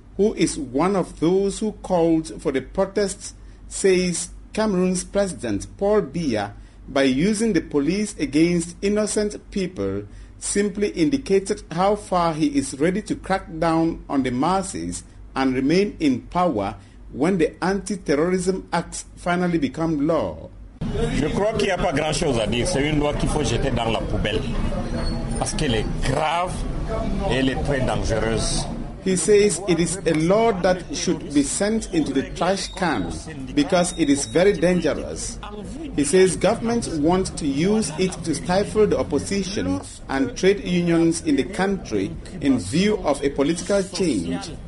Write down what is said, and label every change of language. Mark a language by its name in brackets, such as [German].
[English] who is one of those who called for the protests, says Cameroon's president, Paul Biya, by using the police against innocent people, simply indicated how far he is ready to crack down on the masses and remain in power when the anti-terrorism acts finally become law. [French] Je crois qu'il n'y a pas grand chose à dire. C'est une loi qu'il faut jeter dans la poubelle. Parce qu'elle est grave et elle est très dangereuse. [English] He says it is a law that should be sent into the trash can because it is very dangerous. He says governments want to use it to stifle the opposition and trade unions in the country in view of a political change.